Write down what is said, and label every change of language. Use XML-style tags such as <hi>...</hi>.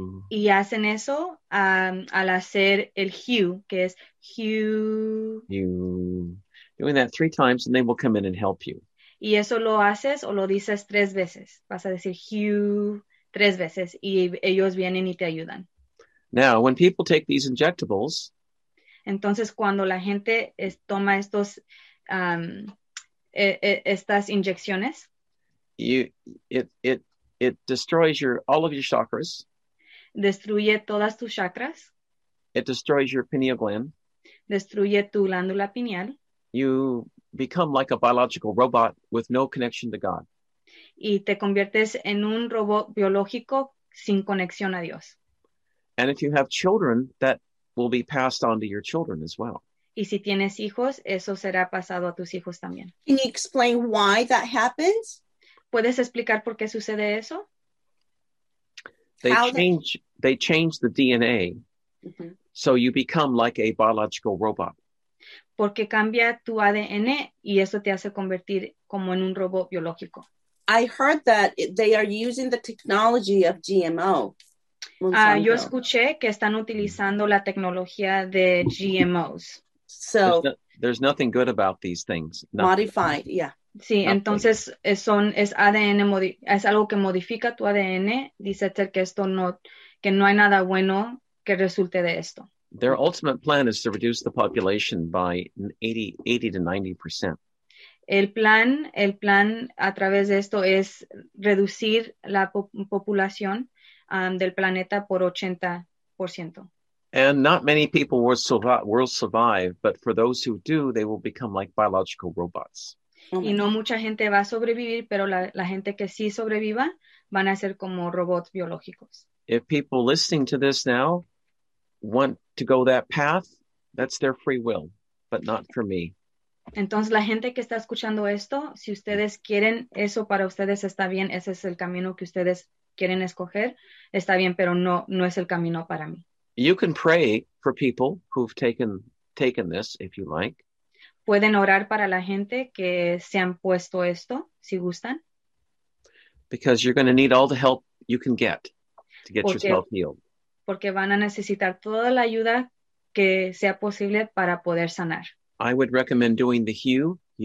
<es>Y hacen eso al hacer el hue, que es hue.</es> <en>Doing that 3 times and they will come in and help you.</en> <es>Y eso lo haces o lo dices 3 veces. Vas a decir hue 3 veces y ellos vienen y te ayudan.</es> <en>Now, when people take these injectables,</en> <es>entonces cuando la gente toma estos estas inyecciones,</es> <en>it destroys all of your chakras.</en> <es>Destruye todas tus chakras.</es> <en>It destroys your pineal gland.</en> <es>Destruye tu glándula pineal.</es> <en>You become like a biological robot with no connection to God.</en> <es>Y te conviertes en un robot biológico sin conexión a Dios.</es> <en>And if you have children, that will be passed on to your children as well.</en> <es>Y si tienes hijos, eso será pasado a tus hijos también.</es> <en>Can you explain why that happens?</en> <es>¿Puedes explicar por qué sucede eso?</es> <en>They change the DNA. Mm-hmm. So you become like a biological robot.</en> <es>Porque cambia tu ADN y eso te hace convertir como en un robot biológico.</es> <en>I heard that they are using the technology of GMO.</en> <es>Yo escuché que están utilizando la tecnología de GMOs.</es> <en>So there's nothing good about these things. Nothing. Modified, yeah.</en> <es>Sí,</es> <en>nothing.</en> <es>Entonces es ADN, es algo que modifica tu ADN. Dice Ter que esto no, que no hay nada bueno que resulte de esto.</es> <en>Their ultimate plan is to reduce the population by 80 to 90%.</en> <es>El plan a través de esto es reducir la población del planeta por 80%.</es> <en>And not many people will survive, but for those who do, they will become like biological robots.</en> <es>Y no mucha gente va a sobrevivir, pero la gente que sí sobreviva van a ser como robots biológicos.</es> <en>If people listening to this now want to go that path, that's their free will, but not for me.</en> <es>Entonces, la gente que está escuchando esto, si ustedes quieren eso para ustedes, está bien. Ese es el camino que ustedes quieren escoger. Está bien, pero no es el camino para mí.</es> <en>You can pray for people who've taken this, if you like.</en> <es>Pueden orar para la gente que se han puesto esto, si gustan.</es> <en>Because you're going to need all the help you can get to get yourself healed.</en> <es>Porque van a necesitar toda la ayuda que sea posible para poder sanar.</es> <en>I would recommend doing the hue.</en>